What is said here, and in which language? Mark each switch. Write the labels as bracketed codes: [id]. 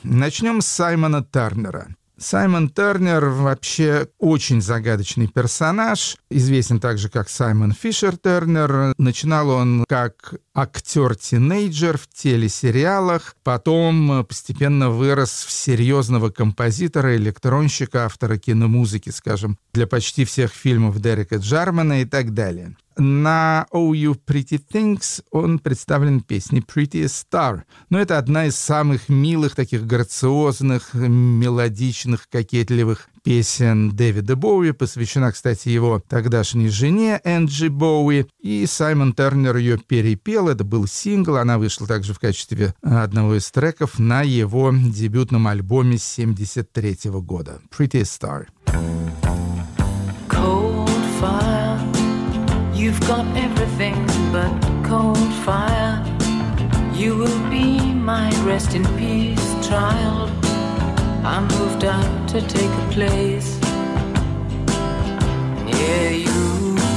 [ru] Начнем с Саймона Тарнера. Саймон Тарнер вообще очень загадочный персонаж, известен также как Саймон Фишер Тарнер. Начинал он как актер-тинейджер в телесериалах, потом постепенно вырос в серьезного композитора, электронщика, автора киномузыки, скажем, для почти всех фильмов Дерека Джармана и так далее. На «Oh, you pretty things» он представлен песней «Pretty Star». Но это одна из самых милых, таких грациозных, мелодичных, кокетливых песен Дэвида Боуи. Посвящена, кстати, его тогдашней жене Энджи Боуи. И Саймон Тарнер ее перепел. Это был сингл. Она вышла также в качестве одного из треков на его дебютном альбоме 73-го года. «Pretty Star». [en] You've got everything but cold fire. You will be my rest in peace, child. I moved out to take a place near you.